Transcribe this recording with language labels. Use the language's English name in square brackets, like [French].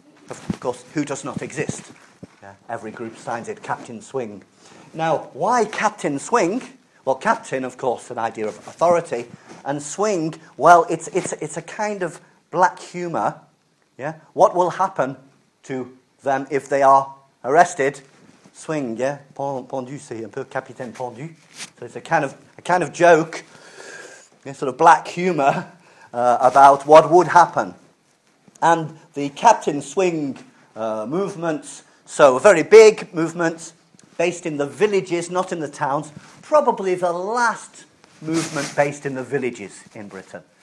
[English] Of course, who does not exist? Yeah. Every group signs it Captain Swing. Now, why Captain Swing? Well, captain, of course, an idea of authority, and swing, well, it's a kind of black humour. Yeah, what will happen to them if they are arrested? [French] Swing, yeah, pendu, c'est un peu capitaine pendu. [English] So it's a kind of joke, yeah, sort of black humour about what would happen. And the Captain Swing movements, so very big movements, based in the villages, not in the towns. Probably the last movement based in the villages in Britain.